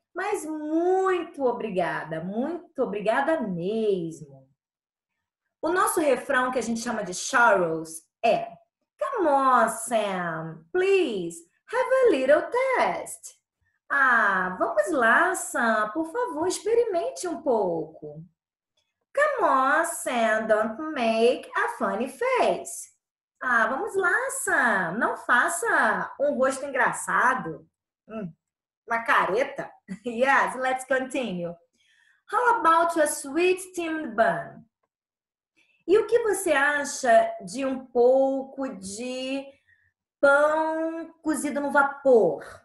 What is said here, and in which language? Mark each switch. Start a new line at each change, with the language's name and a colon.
Portuguese: Mas muito obrigada mesmo. O nosso refrão, que a gente chama de Charles, é
English: Come on, Sam, please, have a little test.
Portuguese: Ah, vamos lá, Sam, por favor, experimente um pouco.
English: Come on, Sam, don't make a funny face.
Portuguese: Ah, vamos lá, Sam, não faça um rosto engraçado. Uma careta.
English: Yes, let's continue. How about a sweet steamed bun?
Portuguese: E o que você acha de um pouco de pão cozido no vapor?